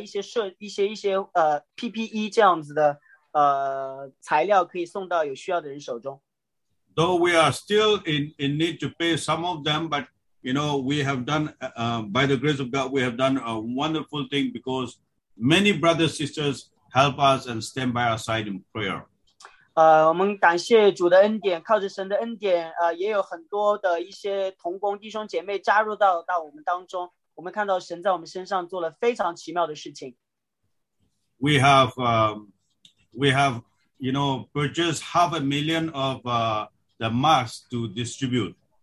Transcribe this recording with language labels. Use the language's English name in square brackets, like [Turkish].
[Chinese] 我们也有很多的一些同工来到我们当中来一起帮忙我们的事工，把这些有需要的口罩、面罩、医疗一些PPE 这样子的材料可以送到有需要的人手中。 [English] Though we are still in need to pay some of them, but you know we have done by the grace of God, we have done a wonderful thing because many brothers sisters. Help us and stand by our side in prayer. [Chinese] 我们感谢主的恩典，靠着神的恩典，也有很多的一些同工弟兄姐妹加入到我们当中。我们看到神在我们身上做了非常奇妙的事情。 [English] We have, you know, purchased 500,000 of the masks to distribute.